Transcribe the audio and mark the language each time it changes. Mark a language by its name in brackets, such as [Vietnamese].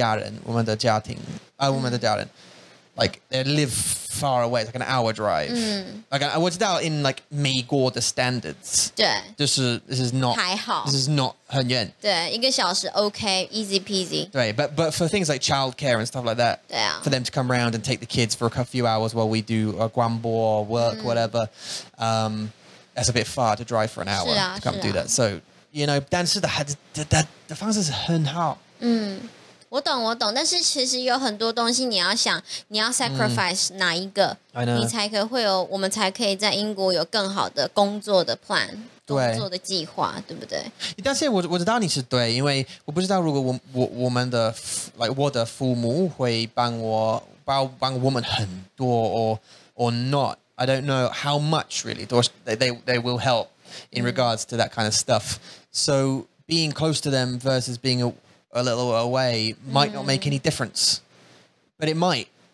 [Chinese] 但是就是很远从我们的家庭。 [English] Like they live far away, like an hour drive. Mm. Like I was out in like Meigo the standards. This is not [Chinese] 很远. 对，一个小时 [English] okay, easy peasy. Right, but for things like childcare and stuff like that, for them to come around and take the kids for a few hours while we do a guanbo or work, whatever, that's a bit far to drive for an hour to come do that. So you know, [Chinese] 但是的方式是很好。我懂，但是其实有很多东西你要想，你要 sacrifice 哪一个，你才可以会有我们才可以在英国有更好的工作的 plan， 工作的计划，对不对？但是我知道你是对，因为我不知道如果我们的 [English] like [Chinese] 我的父母会帮我们很多 [English] or not， I don't know how much really they will help in regards to that kind of stuff. So being close to them versus being a little away might not make any difference, but it might.